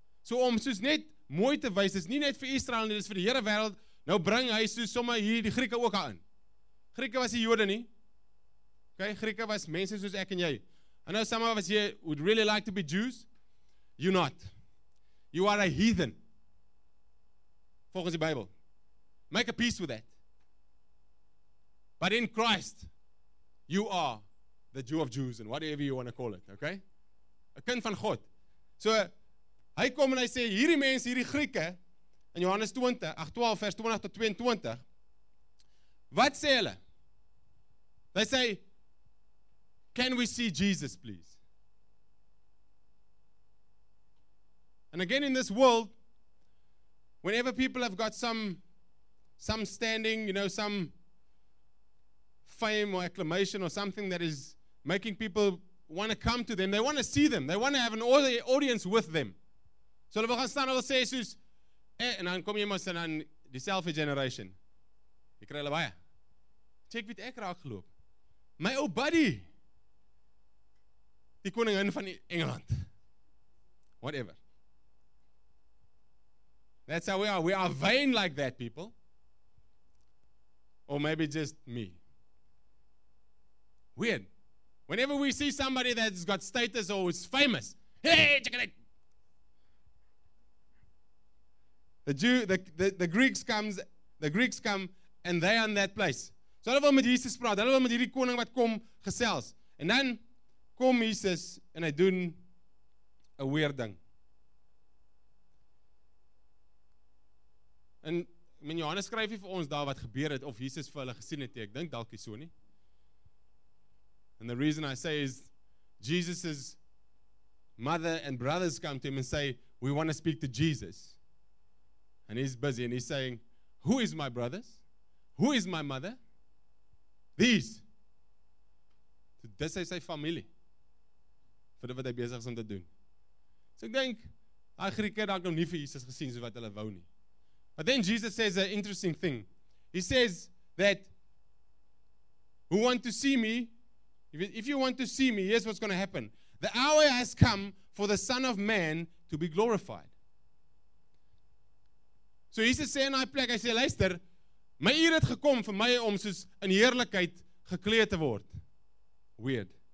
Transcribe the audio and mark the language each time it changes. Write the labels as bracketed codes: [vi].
[af] So om soos net mooi te wys, dis nie net vir Israel nie, dis vir die hele wêreld. Nou bring hy soos sommer hier die Grieke ook aan. Grieke was die Jode nie. Okay, Grieke was mense soos ek en jy. [en] I know some of us here would really like to be Jews. You're not. You are a heathen. [af] Volgens die Bybel. [en] Make a peace with that. But in Christ, you are the Jew of Jews and whatever you want to call it, okay? [af] 'N kind van God. So, hy kom en hy sê, hierdie mense, hierdie Grieke, in Johannes 12 vers 20 tot 22, wat sê hulle? [en] They say, "Can we see Jesus, please?" And again, in this world, whenever people have got some standing, you know, some fame or acclamation or something that is making people want to come to them, they want to see them. They want to have an audience with them. [af] So hulle wil gaan staan, hulle sê, soos, en dan kom jy maar sien aan die selfie generation. Jy kry hulle baie. Check wie ek raak geloop. [en] My old buddy. [af] Die koningin van Engeland. Whatever. [en] That's how we are. We are vain like that, people. Or maybe just me. Weird. Whenever we see somebody that's got status or is famous, hey, check it out. The Greeks come and they are in that place. [af] So hulle wil met Jesus praat, hulle wil met hierdie koning wat kom gesels. En dan kom Jesus en hy doen 'n weird ding. Men Johannes skryf nie vir ons daar wat gebeur het of Jesus vir hulle gesien het nie. Ek dink dalk is so nie. [en] And the reason I say is Jesus's mother and brothers come to him and say, "We want to speak to Jesus." And he's busy and he's saying, "Who is my brothers? Who is my mother? These." [af] So dis is sy familie. Vir wat hy besig is om te doen. So ek dink daai Grieke dalk nog nie vir Jesus gesien so wat hulle wou nie. [en] But then Jesus says an interesting thing. He says that who want to see me, if you want to see me, here's what's going to happen. The hour has come for the Son of Man to be glorified. [af] So Jesus sê in daai plek, hy sê, luister, my uur het gekom vir my om soos in heerlikheid gekleed te word. Weird.